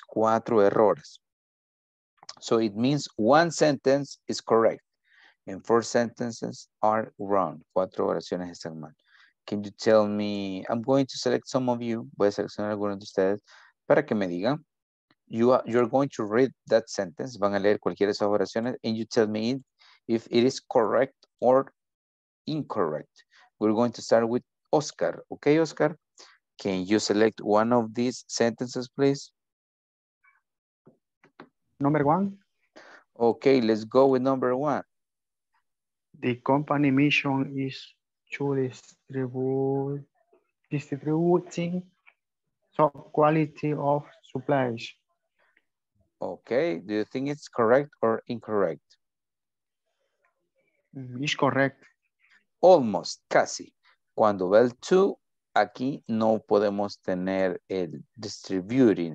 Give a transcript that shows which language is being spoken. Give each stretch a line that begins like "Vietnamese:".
Spanish: Cuatro errores.
English: So it means one sentence is correct and four sentences are wrong.
Spanish: Cuatro oraciones están mal.
English: Can you tell me? I'm going to select some of you.
Spanish: Voy a seleccionar algunos de ustedes para que me digan.
English: You're going to read that sentence.
Spanish: Van a leer cualquiera de esas oraciones.
English: And you tell me if it is correct or incorrect. We're going to start with Oscar. Okay, Oscar. Can you select one of these sentences, please? Number one. Okay, let's go with number one. The company mission is to distribute top quality of supplies. Okay, do you think it's correct or incorrect? It's correct. Almost, casi.
Spanish: Cuando ve el to, aquí no podemos tener el distributing.